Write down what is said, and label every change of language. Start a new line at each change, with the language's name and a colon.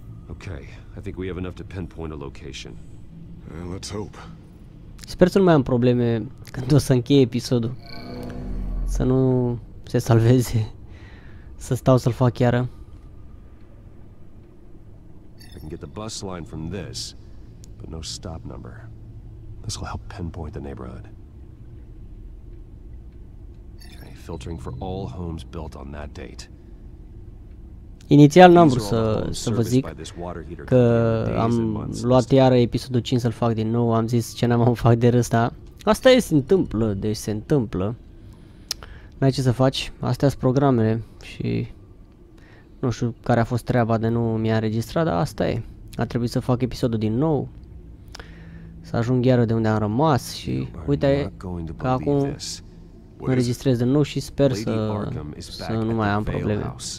English: Okay, I think we have enough to pinpoint a location. Well, let's hope.
Romanian: Sper să nu mai am probleme când o să încheie episodul. Să nu se salveze. Să stau să-l fac iară.
English: I can get the bus line from this, but no stop number. This will help pinpoint the neighborhood. Okay, filtering for all homes built on that date.
Romanian: Inițial n-am vrut să vă zic că am luat iară episodul 5 să-l fac din nou, am zis ce n-am o fac de râs, dar asta e, se întâmplă, deci se întâmplă, n-ai ce să faci, astea sunt programele și nu știu care a fost treaba de nu mi-a înregistrat, dar asta e, a trebuit să fac episodul din nou, să ajung iară de unde am rămas și uite că acum înregistrez din nou și sper să nu mai am probleme.